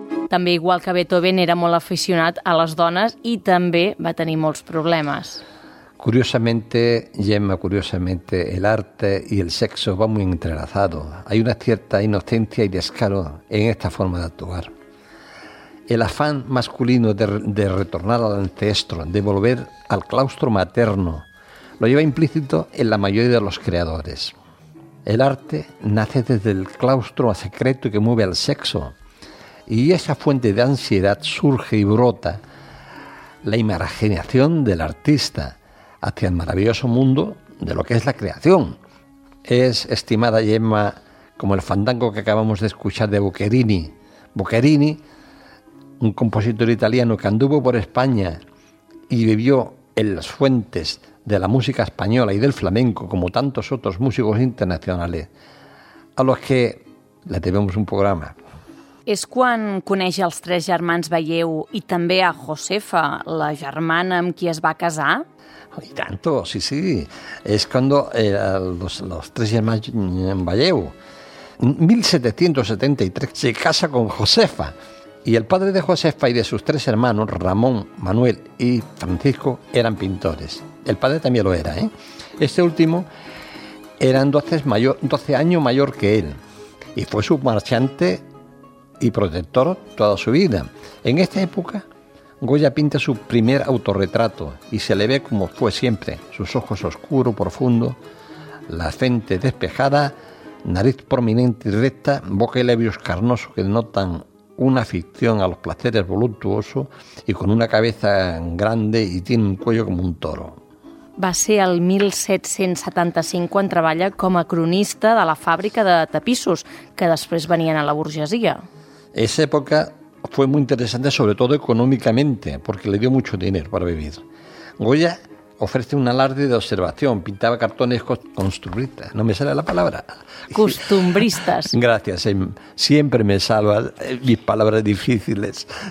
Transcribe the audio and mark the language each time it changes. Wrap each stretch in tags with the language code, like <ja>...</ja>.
<ca>També, igual que Beethoven, era molt aficionat a les dones i també va tenir molts problemes.</ca> <es>Curiosamente, Gemma, curiosamente, el arte y el sexo van muy entrelazados. Hay una cierta inocencia y descaro en esta forma de actuar. El afán masculino de retornar al ancestro, de volver al claustro materno, lo lleva implícito en la mayoría de los creadores. El arte nace desde el claustro secreto que mueve al sexo, y esa fuente de ansiedad surge y brota la imaginación del artista hacia el maravilloso mundo de lo que es la creación. Es, estimada Gemma, como el fandango que acabamos de escuchar de Boccherini. Boccherini, un compositor italiano que anduvo por España y vivió en las fuentes de la música española y del flamenco, como tantos otros músicos internacionales, a los que le debemos un programa.</es> <ca>És quan coneix els tres germans Balleu i també a Josefa, la germana amb qui es va casar? I tanto, sí, sí. És quan els tres germans en Balleu, 1773,</ca> <es>se casa con Josefa. Y el padre de Josefa y de sus tres hermanos, Ramón, Manuel y Francisco, eran pintores. El padre también lo era, ¿eh? Este último era 12 años mayor que él y fue su marchante y protector toda su vida. En esta época, Goya pinta su primer autorretrato y se le ve como fue siempre, sus ojos oscuros, profundos, la frente despejada, nariz prominente y recta, boca y labios carnosos que denotan una afición a los placeres voluptuosos y con una cabeza grande y tiene un cuello como un toro.</es> <ca>Va ser el 1775 quan treballa com a cronista de la fàbrica de tapissos, que després venien a la burguesia.</ca> <es>Esa época fue muy interesante, sobre todo económicamente, porque le dio mucho dinero para vivir. Goya ofrece un alarde de observación, pintaba cartones costumbristas, no me sale la palabra. Costumbristas. Gracias, siempre me salva mis palabras difíciles.</es>